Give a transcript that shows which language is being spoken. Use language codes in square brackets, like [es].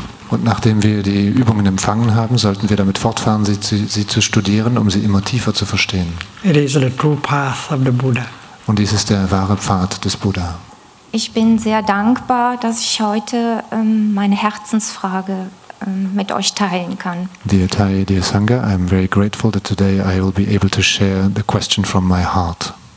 [de] Und nachdem wir die Übungen empfangen haben, sollten wir damit fortfahren, sie zu studieren, um sie immer tiefer zu verstehen. [en] It is the true path of the Buddha. [de] Und dies ist der wahre Pfad des Buddha. Ich bin sehr dankbar, dass ich heute meine Herzensfrage mit euch teilen kann. [en] Dear Thai, dear Sangha, I am very grateful that today I will be able to share the question from my heart.